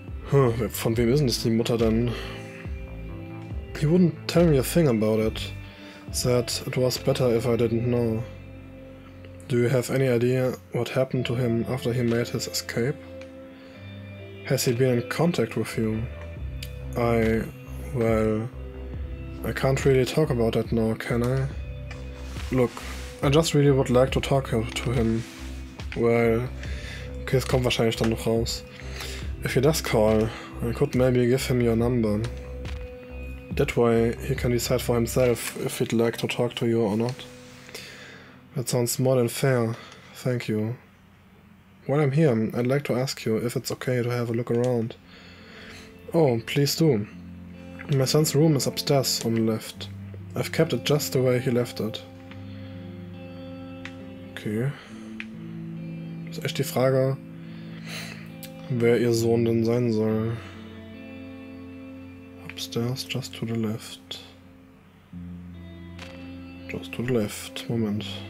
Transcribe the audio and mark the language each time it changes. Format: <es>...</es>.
<de>Huh, von wem ist denn die Mutter denn?</de> <en>He wouldn't tell me a thing about it. Said it was better if I didn't know. Do you have any idea what happened to him after he made his escape? Has he been in contact with you? I can't really talk about that now, can I? Look, I just really would like to talk to him.</en> <de>Well, okay, es kommt wahrscheinlich dann noch raus.</de> <en>If he does call, I could maybe give him your number. That way he can decide for himself if he'd like to talk to you or not. That sounds more than fair, thank you. While I'm here, I'd like to ask you if it's okay to have a look around. Oh, please do. My son's room is upstairs on the left. I've kept it just the way he left it. Okay.</en> <de>Das ist echt die Frage, wer ihr Sohn denn sein soll.</de> <en>Upstairs, just to the left. Just to the left, Moment.</en>